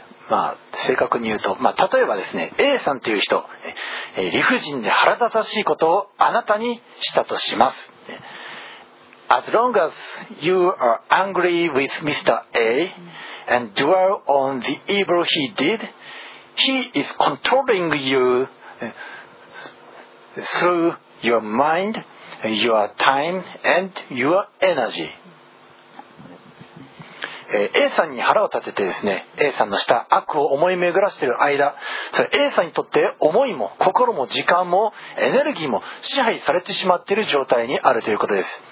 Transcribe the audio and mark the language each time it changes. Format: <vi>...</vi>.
<ja>まあ、正確に言うと、まあ、例えばですね、 A さんという人、理不尽で腹立たしいことをあなたにしたとします。</ja> <en>As long as you are angry with Mr. A and dwell on the evil he did, he is controlling you through your mind, your time and your energy。</en> <ja>A さんに腹を立ててですね、 A さんのした悪を思い巡らしている間、それ A さんにとって思いも心も時間もエネルギーも支配されてしまっている状態にあるということです。</ja>